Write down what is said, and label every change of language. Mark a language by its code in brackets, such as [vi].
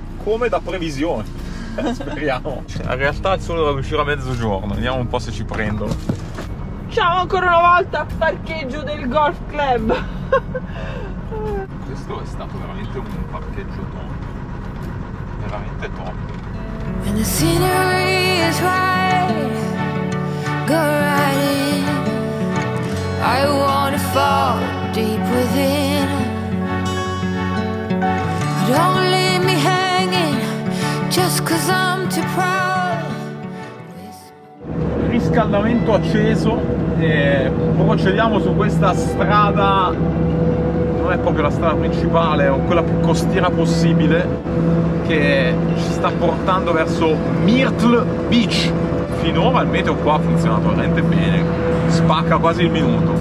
[it] Come da previsione. Speriamo. Cioè, in realtà il sole dovrebbe uscire a mezzogiorno, vediamo un po' se ci prendono. Ciao ancora una volta, parcheggio del golf club. Questo è stato veramente un parcheggio top. Veramente top. [en] When the scenery is right, go riding. I wanna fall deep within. Don't leave me hanging just cause I'm too proud. [it] Riscaldamento acceso. Procediamo su questa strada, non è proprio la strada principale, o quella più costiera possibile, che ci sta portando verso Myrtle Beach. Finora il meteo qua ha funzionato veramente bene, spacca quasi il minuto.